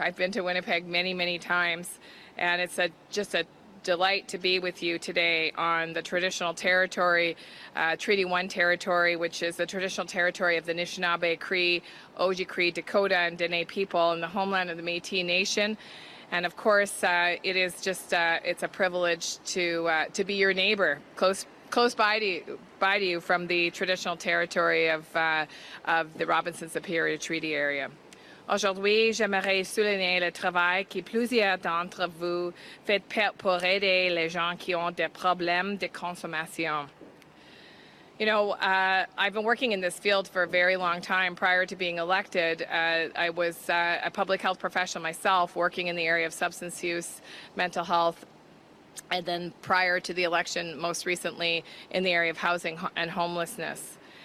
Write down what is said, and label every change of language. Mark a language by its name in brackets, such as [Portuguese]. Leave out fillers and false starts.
[English] I've been to Winnipeg many, many times. And it's just a delight to be with you today on the traditional territory, Treaty 1 territory, which is the traditional territory of the Anishinaabe, Cree, Oji Cree, Dakota, and Dene people, and the homeland of the Métis Nation. And of course, it is just it's a privilege to be your neighbor, close by to you from the traditional territory of the Robinson-Superior Treaty area. [French] Aujourd'hui, j'aimerais souligner le travail que plusieurs d'entre vous faites pour aider les gens qui ont des problèmes de consommation. [English] You know, I've been working in this field for a very long time. Prior to being elected, I was a public health professional myself, working in the area of substance use, mental health, and then prior to the election, most recently, in the area of housing and homelessness.